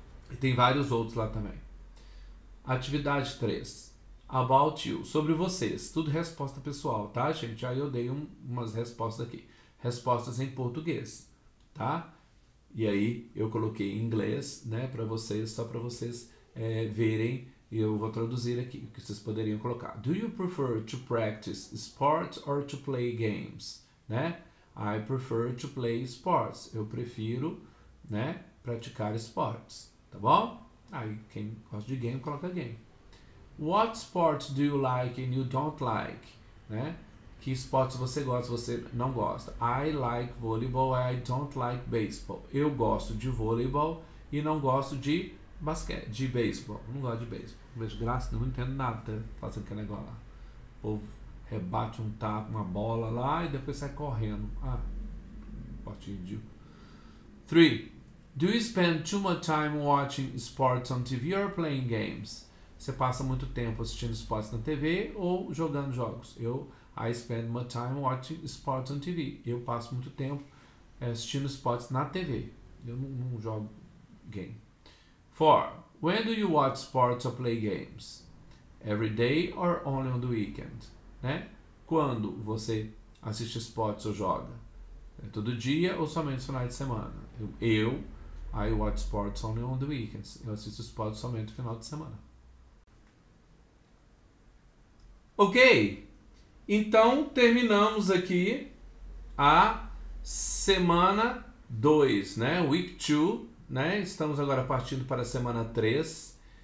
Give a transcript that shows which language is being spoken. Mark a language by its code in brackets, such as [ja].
[pt] E tem vários outros lá também. Atividade 3. [en] About you. [pt] Sobre vocês. Tudo resposta pessoal, tá, gente? Aí eu dei umas respostas aqui. Respostas em português, tá? E aí eu coloquei em inglês, né, para vocês, só para vocês verem, e eu vou traduzir aqui o que vocês poderiam colocar. [en] Do you prefer to practice sports or to play games? Né? I prefer to play sports. [pt] Eu prefiro, né, praticar esportes, tá bom? Aí quem gosta de game coloca game. [en] What sports do you like and you don't like? [pt] Né? Que esportes você gosta, você não gosta? [en] I like volleyball, I don't like baseball. [pt] Eu gosto de voleibol e não gosto de basquete, de beisebol. Não gosto de beisebol. Vejo graça, não entendo nada, tá fazendo aquele negócio lá. O povo rebate um tapa, uma bola lá e depois sai correndo. Ah, potinho de. 3. [en] Do you spend too much time watching sports on TV or playing games? [pt] Você passa muito tempo assistindo esportes na TV ou jogando jogos? Eu. [en] I spend my time watching sports on TV. [pt] Eu passo muito tempo assistindo esportes na TV. Eu não jogo game. 4. [en] When do you watch sports or play games? Every day or only on the weekend? Né? [pt] Quando você assiste esportes ou joga? É todo dia ou somente no final de semana? Eu. [en] I watch sports only on the weekends. [pt] Eu assisto esportes somente no final de semana. Ok! Então, terminamos aqui a semana 2, né? [en] Week 2, [pt] né? Estamos agora partindo para a semana 3.